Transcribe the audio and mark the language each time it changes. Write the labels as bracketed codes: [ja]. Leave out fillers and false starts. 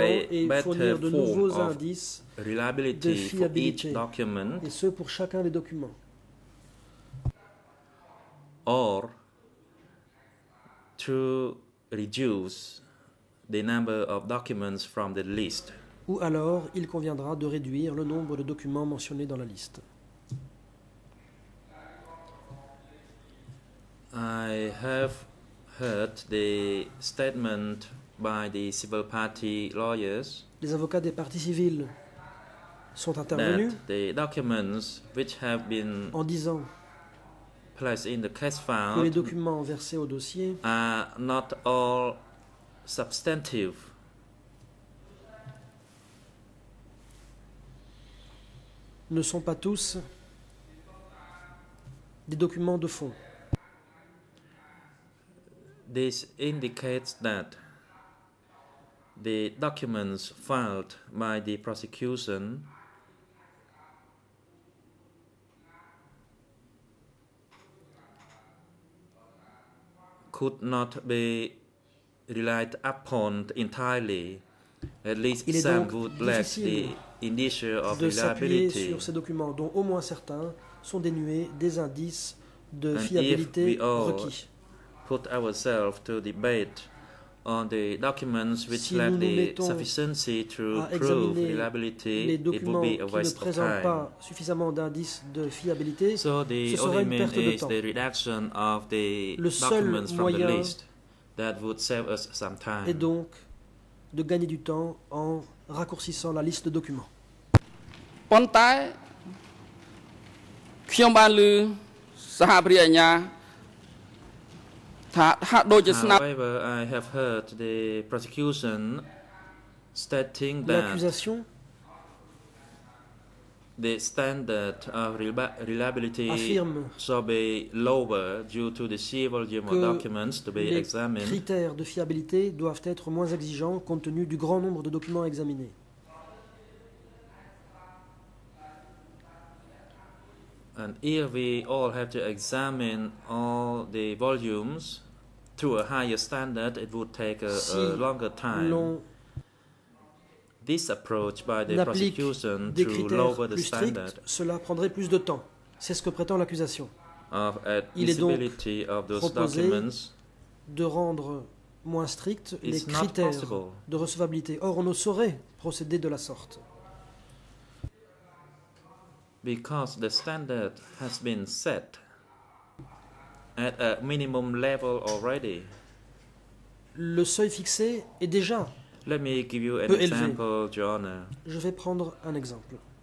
[fr] et fournir de nouveaux indices [en] reliability [fr] de fiabilité, [en] for each document, [fr] et ce pour chacun des documents. [en] Or to reduce the number of documents from the list. [fr] Ou alors, il conviendra de réduire le nombre de documents mentionnés dans la liste. [en] I have heard the statement by the civil party lawyers. [fr] Les avocats des parties civiles sont intervenus. [en] The documents which have been [fr] en disant [en] placed in the case file [fr] que les documents versés au dossier [en] are not all substantive. [fr] Ne sont pas tous des documents de fond. [en] This indicates that the documents filed by the prosecution could not be relied upon entirely. At least some would lack the indicia of reliability. [fr] Sur ces documents, dont au moins certains sont dénués des indices de fiabilité requis. [en] Put ourselves to debate on the documents which [fr] si [en] lack the sufficiency to prove reliability, [fr] les documents [en] it would be a waste [fr] ne présentent [en] of time. [fr] Pas suffisamment d'indices de fiabilité, [en] so the [fr] ce serait une perte de temps. [en] The reduction of the [fr] le seul [en] documents [fr] moyen [en] from the list that would save us some time. [fr] Est donc de gagner du temps en raccourcissant la liste de documents. Pontai, Kyombalu, Sahabriyanya, [en] However, I have heard the prosecution stating that the standard of reliability shall be lower due to the civil documents to be examined. [fr] Les critères de fiabilité doivent être moins exigeants compte tenu du grand nombre de documents examinés. [en] And here we all have to examine all the volumes to a higher standard, it would take a longer time. This approach by the prosecution to lower the standard, [fr] cela prendrait plus de temps. C'est ce que prétend l'accusation. [en] Of admissibility of those documents, [fr] de rendre moins stricts les critères de recevabilité. Or, on ne saurait procéder de la sorte. [en] Because the standard has been set at a minimum level already. [fr] Le seuil fixé est déjà [en] Let me give you an [fr] peu [en] example, [fr] élevé. [en] Your Honor. [fr] Je vais prendre un exemple.